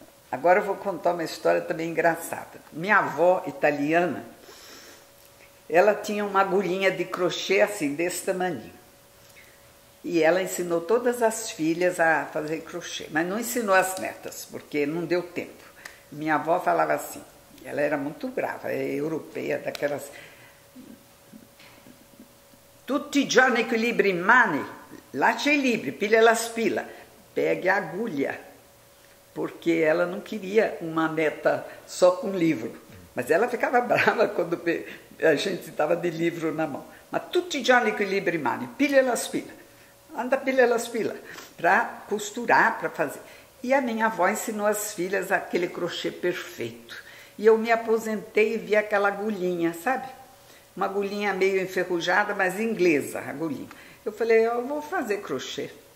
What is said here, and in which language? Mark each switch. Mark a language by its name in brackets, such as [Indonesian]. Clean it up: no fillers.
[Portuguese] Agora eu vou contar uma história também engraçada. Minha avó italiana, ela tinha uma agulhinha de crochê assim, desse tamanho. E ela ensinou todas as filhas a fazer crochê, mas não ensinou as netas, porque não deu tempo. Minha avó falava assim, ela era muito brava, é europeia, daquelas... [Italian] Tutti i giorni che libri in mani, lascia i libri, pilha la spilla. [Portuguese] Pegue a agulha, porque ela não queria uma neta só com livro. Mas ela ficava brava quando a gente estava de livro na mão. [Italian] Ma tutti i giorni che libri in mani, pilha la spilla. Anda, pilha la spilla. [Portuguese] Para costurar, para fazer. E a minha avó ensinou as filhas aquele crochê perfeito. E eu me aposentei e vi aquela agulhinha, sabe? Uma agulhinha meio enferrujada, mas inglesa, agulhinha. Eu falei, eu vou fazer crochê.